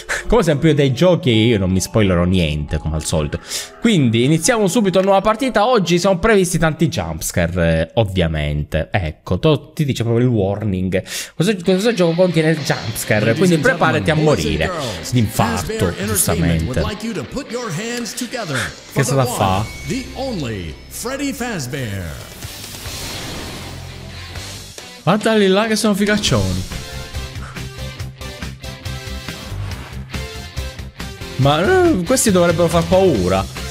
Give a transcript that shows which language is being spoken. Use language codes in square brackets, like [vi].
[it] Come sempre dei giochi io non mi spoilerò niente, come al solito. Quindi iniziamo subito una nuova partita, oggi sono previsti tanti jumpscare, ovviamente. Ecco, ti dice proprio il warning, questo gioco contiene il jumpscare, quindi preparati a morire di infarto, giustamente. [en] Like you to put your hands together for the one, the only Freddy Fazbear. [it] Guardali là che sono figaccioni. Ma questi dovrebbero far paura.